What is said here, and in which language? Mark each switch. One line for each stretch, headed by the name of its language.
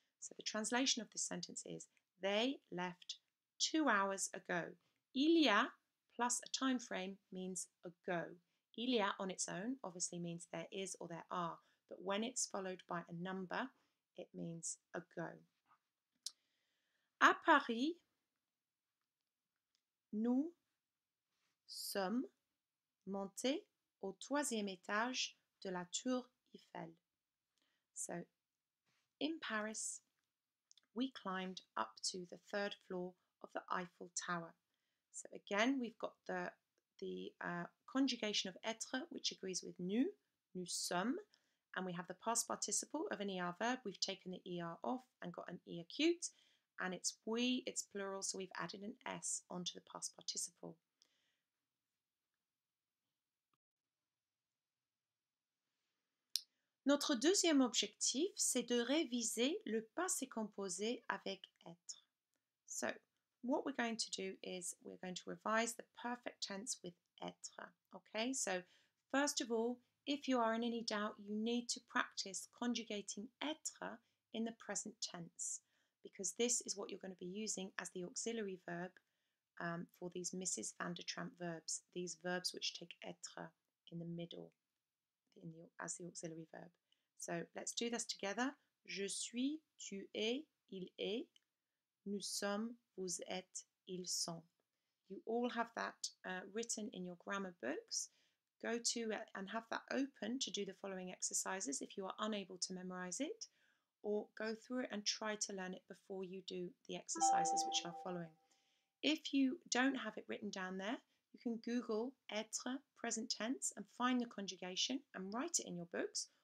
English: So the translation of this sentence is, they left 2 hours ago. Il y a plus a time frame means ago. Il y a on its own obviously means there is or there are, but when it's followed by a number, it means ago.
French: À Paris, nous sommes montés au troisième étage de la Tour Eiffel.
English: So, in Paris, we climbed up to the third floor of the Eiffel Tower. So again, we've got the conjugation of être, which agrees with nous,
French: nous sommes,
English: and we have the past participle of an ER verb. We've taken the ER off and got an E acute, and it's we, it's plural, so we've added an S onto the past participle.
French: Notre deuxième objectif, c'est de réviser le passé composé avec être.
English: So, what we're going to do is we're going to revise the perfect tense with être, okay? So, first of all, if you are in any doubt, you need to practice conjugating être in the present tense because this is what you're going to be using as the auxiliary verb for these Mrs. van der Tramp verbs, these verbs which take être in the middle as the auxiliary verb. So, let's do this together.
French: Je suis, tu es, il est, nous sommes, vous êtes, ils sont.
English: You all have that written in your grammar books. Go to and have that open to do the following exercises if you are unable to memorize it, or go through it and try to learn it before you do the exercises which are following. If you don't have it written down there, you can Google être present tense and find the conjugation and write it in your books,